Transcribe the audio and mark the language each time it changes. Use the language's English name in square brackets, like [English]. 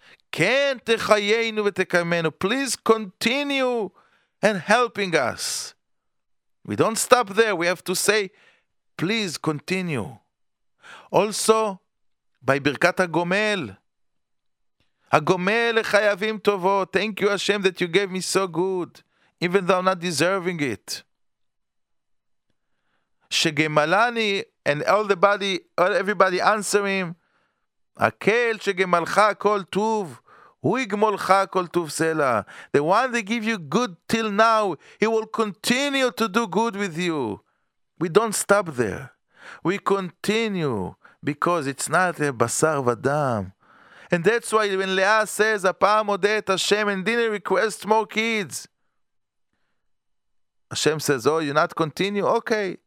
[Hebrew] Ken techayenu vetekamenu. [English] Please continue and helping us. We don't stop there. We have to say, please continue. Also, by Birkat HaGomel, [Hebrew] HaGomel Chayavim Tovot. [English] Thank you, Hashem, that you gave me so good, even though I'm not deserving it. [Hebrew] שגמלני, [English] and all the body, all everybody answering, [Hebrew] הקל שגמלך כל טוב, הוא יגמולך כל טוב סלע. [English] The one that give you good till now, he will continue to do good with you. We don't stop there. We continue, because it's not a בשר ודם. And that's why when Leah says, [Hebrew] הפעם עודה את השם, [English] and didn't request more kids, Hashem says, oh, you're not continue? Okay.